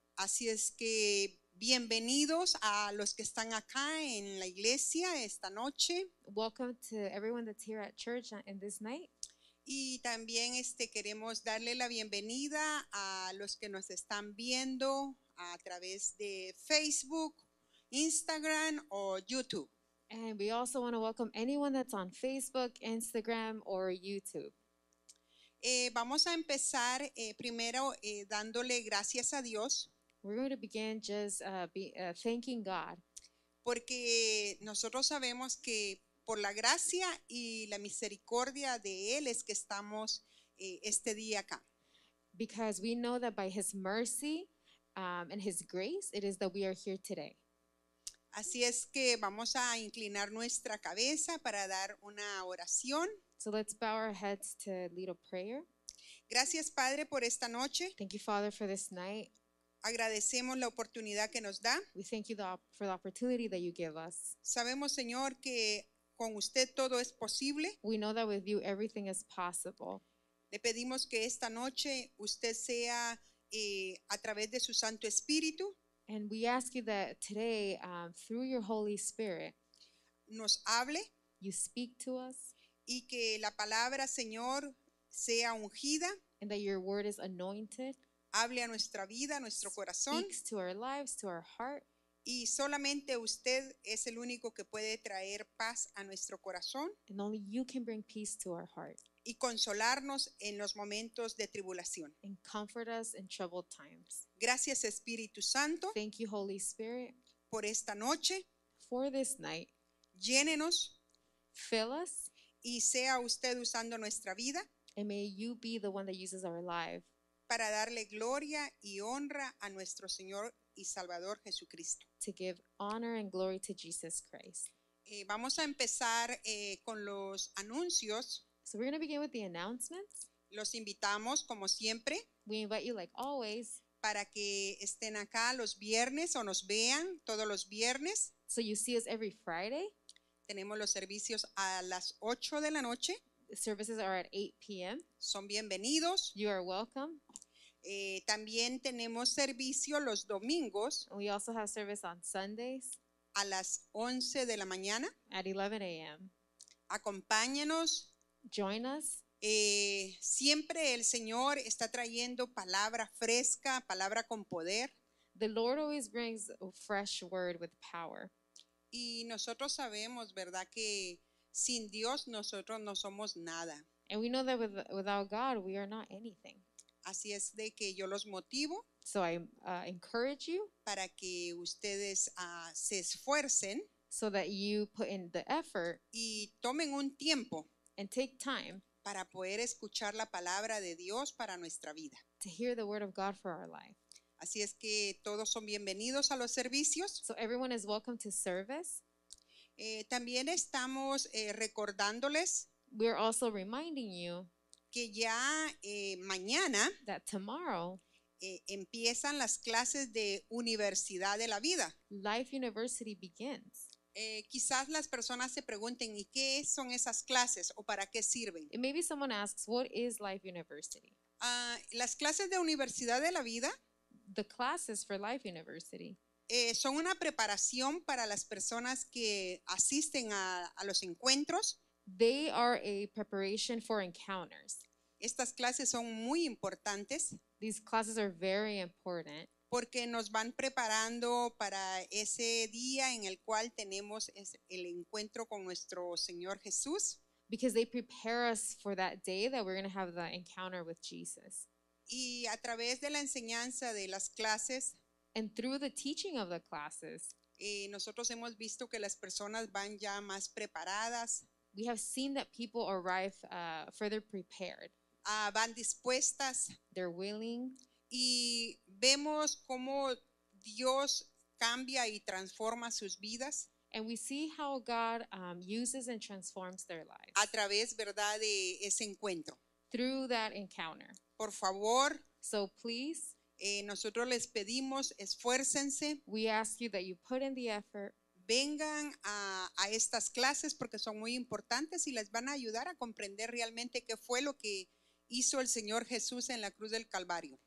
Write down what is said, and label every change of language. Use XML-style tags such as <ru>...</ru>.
<es>Así es que bienvenidos a los que están acá en la iglesia esta noche.</es> <en>Welcome to everyone that's here at church in this night.</en> <es>Y también queremos darle la bienvenida a los que nos están viendo a través de Facebook, Instagram o YouTube.</es> <en>And we also want to welcome anyone that's on Facebook, Instagram, or YouTube.</en> <es>Vamos a empezar primero dándole gracias a Dios.</es> <en>We're going to begin just thanking God.</en> <es>Porque nosotros sabemos que por la gracia y la misericordia de Él es que estamos este día acá.</es> <en>Because we know that by His mercy and His grace, it is that we are here today.</en> <es>Así es que vamos a inclinar nuestra cabeza para dar una oración.</es> <en>So let's bow our heads to lead a prayer.</en> <es>Gracias, Padre, por esta noche.</es> <en>Thank you, Father, for this night.</en> <es>Agradecemos la oportunidad que nos da.</es> <en>We thank you for the opportunity that you give us.</en> <es>Sabemos, Señor, que con usted todo es posible.</es> <en>We know that with you everything is possible.</en> <es>Le pedimos que esta noche usted sea a través de su Santo Espíritu.</es> <en>And we ask you that today, through your Holy Spirit,</en> <es>nos hable,</es> <en>you speak to us,</en> <es>y que la palabra, Señor, sea ungida,</es> <en>and that your word is anointed,</en> <es>hable a nuestra vida, a nuestro corazón,</es> <en>speaks to our lives, to our heart,</en> <es>y solamente usted es el único que puede traer paz a nuestro corazón,</es> <en>and only you can bring peace to our heart,</en> <es>y consolarnos en los momentos de tribulación.</es> <en>And comfort us in troubled times.</en> <es>Gracias, Espíritu Santo.</es> <en>Thank you, Holy Spirit.</en> <es>Por esta noche.</es> <en>For this night.</en> <es>Llénenos.</es> <en>Fill us.</en> <es>Y sea usted usando nuestra vida.</es> <en>And may you be the one that uses our life.</en> <es>Para darle gloria y honra a nuestro Señor y Salvador Jesucristo.</es> <en>To give honor and glory to Jesus Christ.</en> <es>Vamos a empezar con los anuncios.</es> <en>So we're going to begin with the announcements.</en> <es>Los invitamos, como siempre.</es> <en>We invite you, like always.</en> <es>Para que estén acá los viernes o nos vean todos los viernes.</es> <en>So you see us every Friday.</en> <es>Tenemos los servicios a las 8 de la noche.</es> <en>The services are at 8 p.m.</en> <es>Son bienvenidos.</es> <en>You are welcome.</en> <es>También tenemos servicio los domingos.</es> <en>And we also have service on Sundays.</en> <es>A las 11 de la mañana.</es> <en>At 11 a.m.</en> <es>Acompáñenos.</es> <en>Join us.</en> <es>Siempre el Señor está trayendo palabra fresca, palabra con poder.</es> <en>The Lord always brings a fresh word with power.</en> <es>Y nosotros sabemos, ¿verdad?, que sin Dios nosotros no somos nada.</es> <en>And we know that without God we are not anything.</en> <es>Así es de que yo los motivo.</es> <en>So I encourage you.</en> <es>Para que ustedes se esfuercen.</es> <en>So that you put in the effort.</en> <es>Y tomen un tiempo.</es> <en>And take time</en> <es>para poder escuchar la palabra de Dios para nuestra vida.</es> <en>To hear the word of God for our life.</en> <es>Así es que todos son bienvenidos a los servicios.</es> <en>So everyone is welcome to service.</en> <es>También estamos recordándoles.</es> <en>we're also reminding you</en> <es>que ya mañana</es> <en>that tomorrow</en> <es>empiezan las clases de Universidad de la Vida.</es> <en>Life University begins.</en> <es>Quizás las personas se pregunten, ¿y qué son esas clases o para qué sirven?</es> <en>And maybe someone asks, what is Life University?</en> <es>Las clases de Universidad de la Vida.</es> <en>The classes for Life University.</en> <es>Son una preparación para las personas que asisten a los encuentros.</es> <en>They are a preparation for encounters.</en> <es>Estas clases son muy importantes.</es> <en>These classes are very important.</en> <es>Porque nos van preparando para ese día en el cual tenemos el encuentro con nuestro Señor Jesús.</es> <en>Because they prepare us for that day that we're going to have the encounter with Jesus.</en> <es>Y a través de la enseñanza de las clases.</es> <en>And through the teaching of the classes.</en> <es>Y nosotros hemos visto que las personas van ya más preparadas.</es> <en>We have seen that people arrive further prepared.</en> <es>Van dispuestas.</es> <en>They're willing.</en> <es>Y vemos cómo Dios cambia y transforma sus vidas.</es> <en>And we see how God uses and transforms their lives.</en> <es>A través, ¿verdad?, de ese encuentro.</es> <en>Through that encounter.</en> <es>Por favor.</es> <en>So please.</en> <es>Nosotros les pedimos, esfuércense.</es> <en>We ask you that you put in the effort.</en> <es>Vengan a estas clases porque son muy importantes y les van a ayudar a comprender realmente qué fue lo que hizo el Señor Jesús en la cruz del Calvario.</es>